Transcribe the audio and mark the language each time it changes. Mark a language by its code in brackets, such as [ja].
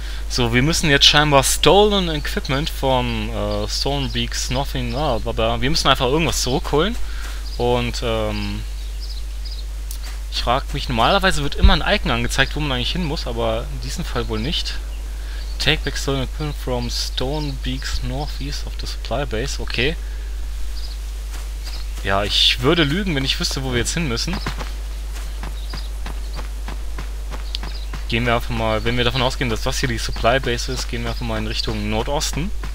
[de] So, wir müssen jetzt scheinbar Stolen Equipment von Stonebeaks Nothing, aber wir müssen einfach irgendwas zurückholen. Und ich frage mich, normalerweise wird immer ein Icon angezeigt, wo man eigentlich hin muss, aber in diesem Fall wohl nicht. [en] Take back Stolen Equipment from Stonebeaks Northeast of the Supply Base, okay. [de] Ja, ich würde lügen, wenn ich wüsste, wo wir jetzt hin müssen. Gehen wir einfach mal, wenn wir davon ausgehen, dass das hier die Supply Base ist, gehen wir einfach mal in Richtung Nordosten.